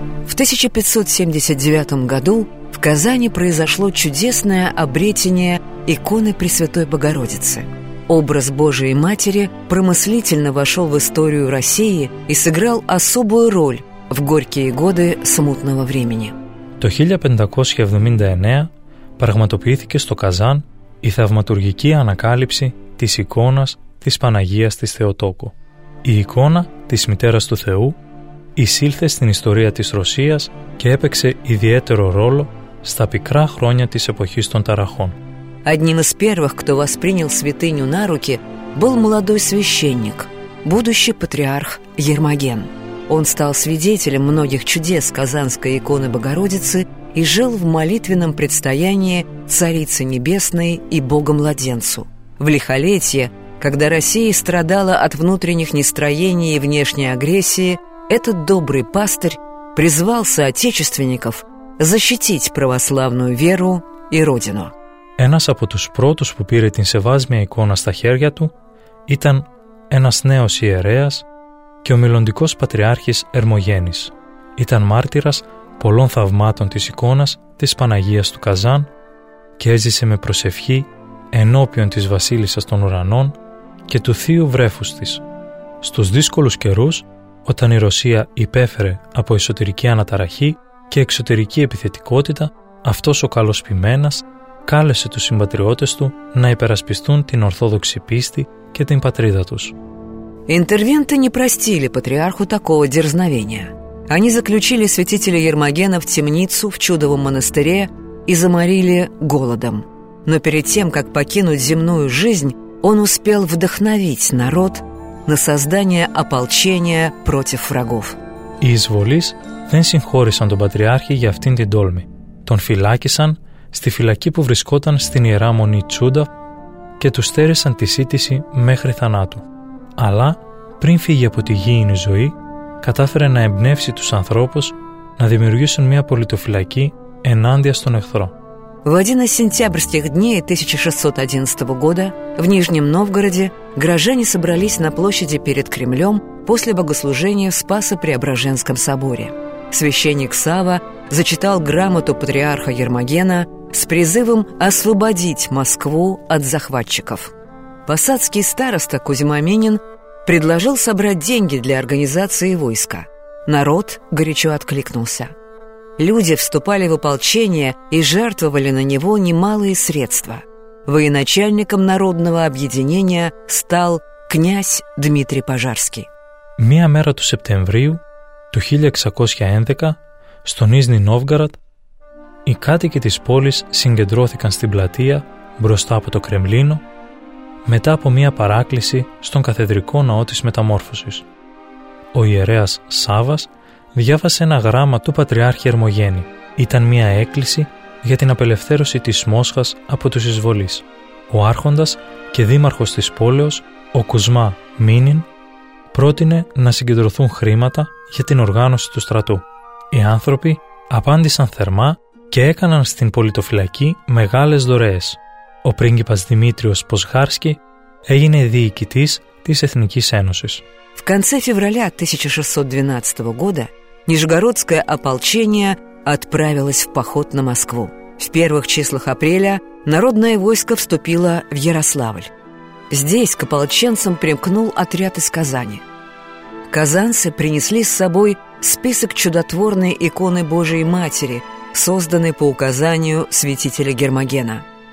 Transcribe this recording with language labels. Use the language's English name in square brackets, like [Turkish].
[Russian] В 1579 году в Казани произошло чудесное обретение иконы Пресвятой Богородицы. Образ Божией Матери промыслительно вошел в историю России и сыграл особую роль в горькие годы смутного времени. [Greek] Το 1579 πραγματοποιήθηκε στο Καζάν η θαυματουργική ανακάλυψη της εικόνας της Παναγίας της Θεοτόκου. Η εικόνα της Μητέρας του Θεού εισήλθε στην ιστορία της Ρωσίας και έπαιξε ιδιαίτερο ρόλο στα πικρά χρόνια της εποχής των Ταραχών. [Russian] Одним из первых, кто воспринял святыню на руки, был молодой священник, будущий патриарх Ермоген. Он стал свидетелем многих чудес Казанской иконы Богородицы и жил в молитвенном предстоянии Царицы Небесной и Богомладенцу. В лихолетие, когда Россия страдала от внутренних нестроений и внешней агрессии, этот добрый пастырь призвал соотечественников защитить православную веру и родину. [Greek] Ένας από τους πρώτους που πήρε την σεβάσμια εικόνα στα χέρια του ήταν ένας νέος ιερέας και ο μελλοντικός πατριάρχης Ερμογένης. Ήταν μάρτυρας πολλών θαυμάτων της εικόνας της Παναγίας του Καζάν και έζησε με προσευχή ενώπιον της Βασίλισσας των Ουρανών και του Θείου Βρέφους της. Στους δύσκολους καιρούς, όταν η Ρωσία υπέφερε από εσωτερική αναταραχή και εξωτερική επιθετικότητα, αυτός ο καλός ποιμένας κάλεσε τους συμπατριώτες του να υπερασπιστούν την ορθόδοξη πίστη και την πατρίδα τους. [Russian] Интервенты не простили патриарху такого дерзновения. Они заключили святителя Ермогена в темницу в чудовом монастыре и заморили голодом. Но перед тем, как покинуть земную жизнь, он успел вдохновить народ на создание ополчения против врагов. [Greek] Οι εισβολείς δεν συγχώρησαν τον Πατριάρχη για αυτήν την τόλμη. Τον φυλάκισαν στη φυλακή που βρισκόταν στην Ιερά Μονή Τσούντα και του στέρισαν τη σύτηση μέχρι θανάτου. Αλλά πριν φύγει από τη γήινη ζωή, κατάφερε να εμπνεύσει τους ανθρώπους να δημιουργήσουν μια πολιτοφυλακή ενάντια στον εχθρό. [Russian] В один из сентябрьских дней 1611 года в Нижнем Новгороде горожане собрались на площади перед Кремлем после богослужения в Спасо-Преображенском соборе. Священник Сава зачитал грамоту патриарха Ермогена с призывом освободить Москву от захватчиков. Посадский староста Кузьма Минин предложил собрать деньги для организации войска. Народ горячо откликнулся. Люди вступали в ополчение и жертвовали на него немалые средства. Военачальником народного объединения стал князь Дмитрий Пожарский. [Greek] Μία μέρα του Σεπτεμβρίου του 1611 στο Νίζνη Νόβγαρατ Οι κάτοικοι της πόλης συγκεντρώθηκαν στην πλατεία μπροστά από το Κρεμλίνο μετά από μία παράκληση στον καθεδρικό ναό της Μεταμόρφωσης. Ο ιερέας Σάββας διάβασε ένα γράμμα του Πατριάρχη Ερμογένη. Ήταν μία έκκληση για την απελευθέρωση της Μόσχας από τους εισβολείς. Ο άρχοντας και δήμαρχος της πόλεως, ο Κουσμά Μίνιν, πρότεινε να συγκεντρωθούν χρήματα για την οργάνωση του στρατού. Οι άνθρωποι απάντησαν θερμά και έκαναν στην πολιτοφυλακή μεγάλες δωρεές. Ο πρίγκιπας Δημήτριος Ποσχάρσκι έγινε διοικητής της Εθνικής Ένωσης. [Russian] В конце февраля 1612 года Нижегородское ополчение отправилось в поход на Москву. В первых числах апреля народное войско вступило в Ярославль. Здесь к ополченцам примкнул отряд из Казани. Казанцы принесли с собой список чудотворной иконы Божией Матери, созданной по указанию святителя Гермогена.